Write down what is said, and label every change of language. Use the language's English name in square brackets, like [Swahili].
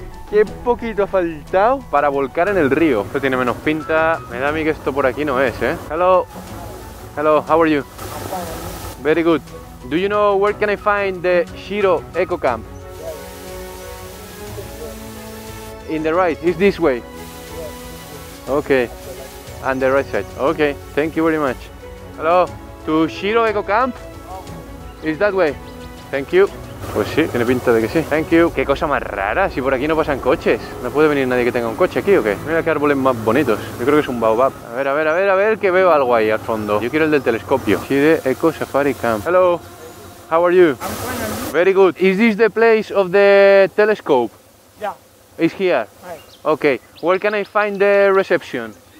[Spanish] ¡Qué poquito ha faltado para volcar en el río! Esto tiene menos pinta. Me da a mí que esto por aquí no es, ¿eh? [English] Hello. Hello, how are you? Very good. Do you know where can I find the Shiro Eco Camp? In the right, it's this way. Okay, and the right side. Okay, thank you very much. Hello, to Shiro Eco Camp? It's that way. Thank you. [Spanish] Pues sí, tiene pinta de que sí. [English] Thank you. [Spanish] Qué cosa más rara, si por aquí no pasan coches. No puede venir nadie que tenga un coche aquí, ¿o qué? Mira qué árboles más bonitos. Yo creo que es un baobab. A ver, a ver, a ver, a ver, que veo algo ahí al fondo. Yo quiero el del telescopio. [English] Shiro Eco Safari Camp. Hello. How are you? I'm fine, and you? Very good. Is this the place of the telescope? Yeah. It's here? Right. Okay. Where can I find the reception?